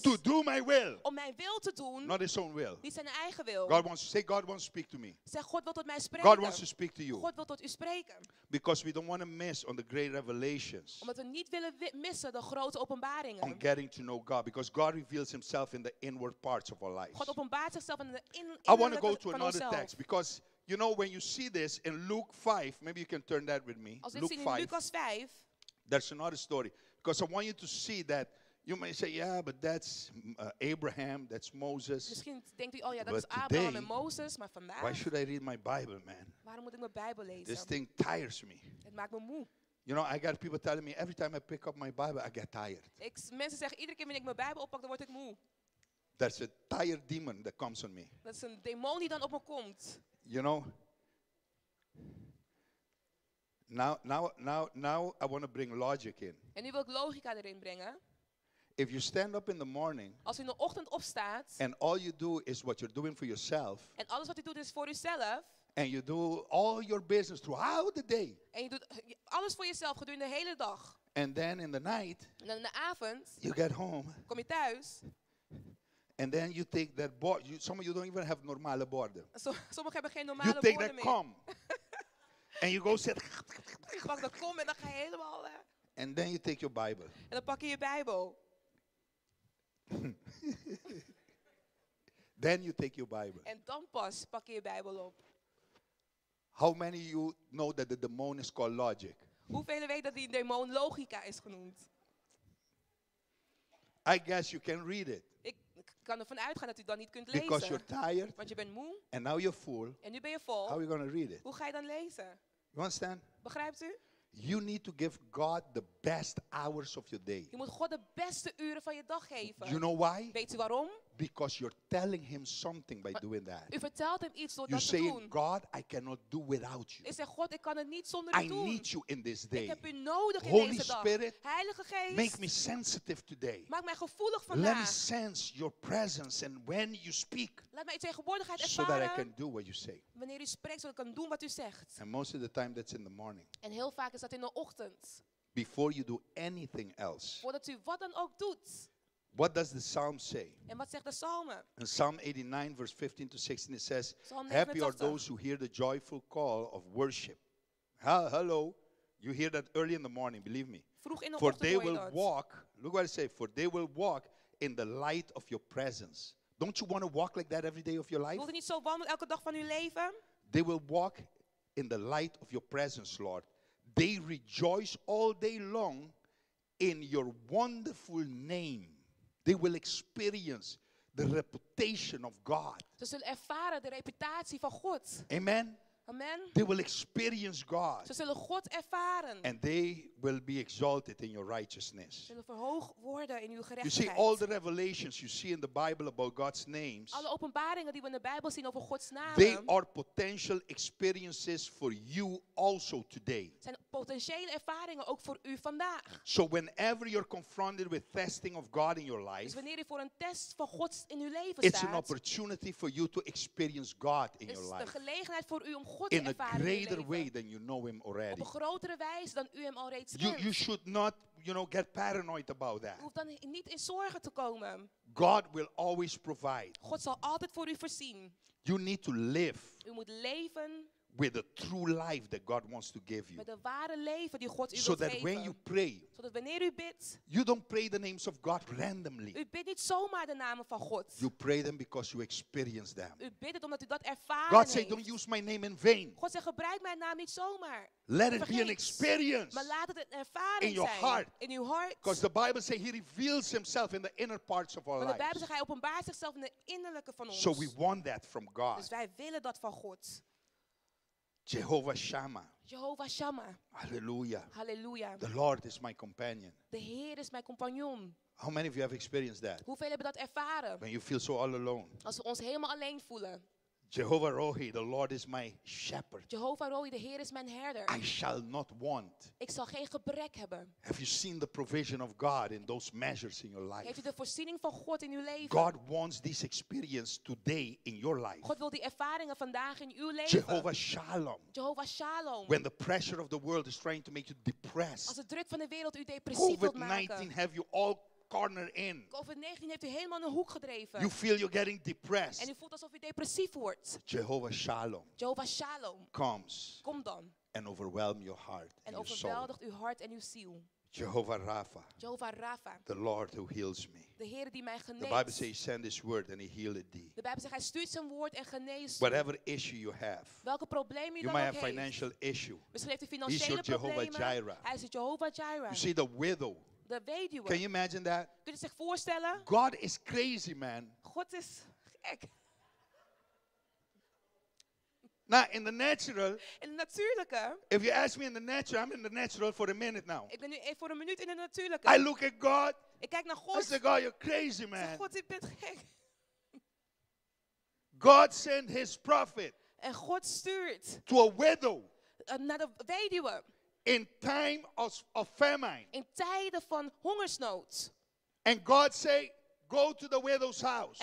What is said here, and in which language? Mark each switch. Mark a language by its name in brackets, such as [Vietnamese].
[English] To do my will. [Dutch] Om mijn wil te doen. [English] Not his own will. [Dutch] Niet zijn eigen wil. [English] God wants to say God wants to speak to me. [Dutch] Zeg God wil tot mij spreken. [English] God wants to speak to you. [Dutch] God wil tot u spreken. [English] Because we don't want to miss on the great revelations. [Dutch] Omdat we niet willen missen de grote openbaringen. [English] On getting to know God because God reveals himself in the inward parts of our lives. [Dutch] God openbaart zichzelf in de innerlijke. [English] I want to go to another text because you know, when you see this in Luke 5, maybe you can turn that with me. Luke 5. Lucas 5. That's another story. Because I want you to see that you may say, yeah, but that's Abraham, that's Moses. [Dutch] Misschien denkt u, oh ja, dat is Abraham en Moses, maar vandaag. [English] Why should I read my Bible, man? [Dutch] Waarom moet ik mijn Bijbel lezen? [English] This thing tires me. [Dutch] Het maakt me moe. [English] You know, I got people telling me, every time I pick up my Bible, I get tired. [Dutch] Mensen zeggen, iedere keer wanneer ik mijn Bijbel oppak, dan word ik moe. [English] That's a tired demon that comes on me. [Dutch] Dat is een demon die dan op me komt. [English] You know, now I want to bring logic in. [Dutch] En nu wil ik logica erin brengen. [English] If you stand up in the morning, [Dutch] als u in de ochtend opstaat, [English] and all you do is what you're doing for yourself, [Dutch] en alles wat u doet is voor uzelf, [English] and you do all your business throughout the day, [Dutch] en je doet alles voor jezelf gedurende de hele dag, [English] and then in the night, [Dutch] en dan in de avond, [English] you get home, [Dutch] kom je thuis. [English] And then you take that board. Some of you don't even have [Dutch] normale borden. Sommigen hebben geen normale [English] you take [Dutch] borden [English] that kom. And you go sit. [Dutch] Ik pak dat kom en dan ga je helemaal. [English] And then you take your Bible. [Dutch] En dan pak je je Bijbel. [English] Then you take your Bible. [Dutch] En dan pas pak je je Bijbel op. [English] How many of you know that the demon is called logic? [Dutch] Hoeveel weten dat die demon logica is genoemd? [English] I guess you can read it. [Dutch] Ik kan ervan uitgaan dat u dan niet kunt [English] Because [Dutch] lezen. [English] You're tired, [Dutch] want je bent moe. [English] And now you're full. [Dutch] En nu ben je vol. [English] How are you gonna read it? [Dutch] Hoe ga je dan lezen? [English] You understand? [Dutch] Begrijpt u? [English] You need to give God the best hours of your day. [Dutch] Je moet God de beste uren van je dag geven. [English] You know why? [Dutch] Weet u waarom? [English] Because you're telling him something by doing that. [Dutch] U vertelt hem iets door [English] you're [Dutch] dat te doen. [English] You say, God, I cannot do without you. [Dutch] Ik zeg, God, ik kan het niet zonder [English] I [Dutch] u doen. [English] I need you in this day. [Dutch] Ik heb u nodig [English] Holy [Dutch] in deze [English] Spirit, [Dutch] dag. Heilige Geest, [English] make me sensitive today. [Dutch] Maak mij gevoelig vandaag. [English] Let me sense your presence and when you speak. [Dutch] Laat mij uw tegenwoordigheid ervaren. [English] So that I can do what you say. [Dutch] Wanneer u spreekt, zodat ik kan doen wat u zegt. [English] And most of the time that's in the morning. [Dutch] En heel vaak is dat in de ochtend. [English] Before you do anything else. [Dutch] Voordat u wat dan ook doet. [English] What does the psalm say? [Dutch] En wat zegt de psalmen? [English] In Psalm 89, verse 15 to 16, it says, Happy are those who hear the joyful call of worship. Hello. You hear that early in the morning, believe me. [Dutch] Vroeg in de [English] for they will [Dutch] dat. [English] Walk, look what it says, for they will walk in the light of your presence. Don't you want to walk like that every day of your life? [Dutch] Wil je niet zo wandelen elke dag van uw leven? [English] They will walk in the light of your presence, Lord. They rejoice all day long in your wonderful name. They will experience the reputation of God. [Dutch] Ze zullen ervaren de reputatie van God. [English] Amen. [Dutch] Amen. [English] They will experience God. [Dutch] Ze zullen God ervaren. [English] And they will be exalted in your righteousness. [Dutch] Ze zullen verhoogd worden in uw gerechtigheid. [English] You see all the revelations you see in the Bible about God's names. [Dutch] Alle openbaringen die we in de Bijbel zien over Gods namen. [English] They are potential experiences for you also today. [Dutch] Zijn potentiële ervaringen ook voor u vandaag. [English] So whenever you're confronted with testing of God in your life. [Dutch] Dus wanneer u voor een test van God in uw leven staat. [English] It's an opportunity for you to experience God in your life. [Dutch] Is de gelegenheid voor u om God [English] in a greater way than you know him already. [Dutch] Op een grotere wijze dan u hem al reeds kent. [English] You should not, you know, get paranoid about that. [Dutch] U hoeft dan niet in zorgen te komen. [English] God will always provide. [Dutch] God zal altijd voor u voorzien. [English] You need to live. [Dutch] U moet leven. [English] With the true life that God wants to give you. [Dutch] Met de ware leven die God u wil geven. [English] So that when you pray. [Dutch] Zodat wanneer u bidt. [English] You don't pray the names of God randomly. [Dutch] U bidt niet zomaar de namen van God. [English] You pray them because you experience them. [Dutch] U bidt het omdat u dat ervaren. God zegt, [English] don't use my name in vain. [Dutch] God zegt, gebruik mijn naam niet zomaar. [English] Let it be an experience. [Dutch] Maar laat het een ervaring zijn. [English] In your heart. [Dutch] In uw hart. [English] Because the Bible says he reveals himself in the inner parts of our lives. [Dutch] Want de Bijbel zegt, hij openbaart zichzelf in de innerlijke van ons. [English] So we want that from God. [Dutch] Dus wij willen dat van God. [English] Jehovah Shammah. [Dutch] Jehovah Shammah. [English] Hallelujah. [Dutch] Hallelujah. [English] The Lord is my companion. [Dutch] De Heer is mijn compagnon. [English] How many of you have experienced that? [Dutch] Hoeveel hebben dat ervaren? [English] When you feel so all alone. [Dutch] Als we ons helemaal alleen voelen. [English] Jehovah Rohi, the Lord is my shepherd. [Dutch] Jehovah Rohi, de Heer is mijn herder. [English] I shall not want. [Dutch] Ik zal geen gebrek hebben. [English] Have you seen the provision of God in those measures in your life? [Dutch] Heeft u de voorziening van God in uw leven? [English] God wants this experience today in your life. [Dutch] God wil die ervaringen vandaag in uw leven. [English] Jehovah Shalom. [Dutch] Jehovah Shalom. [English] When the pressure of the world is trying to make you depressed. [Dutch] Als de druk van de wereld u depressief wilt maken. [English] COVID-19 have you all corner in. [Dutch] COVID-19 heeft u helemaal een hoek gedreven. [English] You feel you're getting depressed. [Dutch] En u voelt alsof u depressief wordt. [English] Jehovah Shalom. [Dutch] Jehovah Shalom. [English] Comes. [Dutch] Kom dan. [English] And overwhelm your heart and your soul. [Dutch] En overweldigt uw hart en uw ziel. [English] Jehovah Rapha. [Dutch] Jehovah Rapha. [English] The Lord who heals me. [Dutch] De Heer die mij geneest. [English] The Bible says he sends his word and he healed thee. [Dutch] De Bijbel zegt hij stuurt zijn woord en geneest. [English] Whatever issue you have. [Dutch] Welke probleem je dan ook hebt. [English] You might have financial issue. [Dutch] Misschien heeft u financiële problemen. [English] He's your Jehovah Jireh. [Dutch] Hij is het Jehovah Jireh. [English] You see the widow. [Dutch] De weduwe. [English] Can you imagine that? [Dutch] Kun je zich voorstellen? [English] God is crazy, man. [Dutch] God is gek. [English] Now, in the natural. [Dutch] In het natuurlijke. [English] If you ask me in the natural, I'm in the natural for a minute now. [Dutch] Ik ben nu even voor een minuut in het natuurlijke. [English] I look at God. [Dutch] Ik kijk naar God. [English] I say, God, you're crazy, man. [Dutch] God, je bent gek. [English] God sent his prophet. [Dutch] En God stuurt. [English] To a widow. [Dutch] Naar de weduwe. [English] In time of famine. [Dutch] In tijden van hongersnood. [English] And God say, go to the widow's house.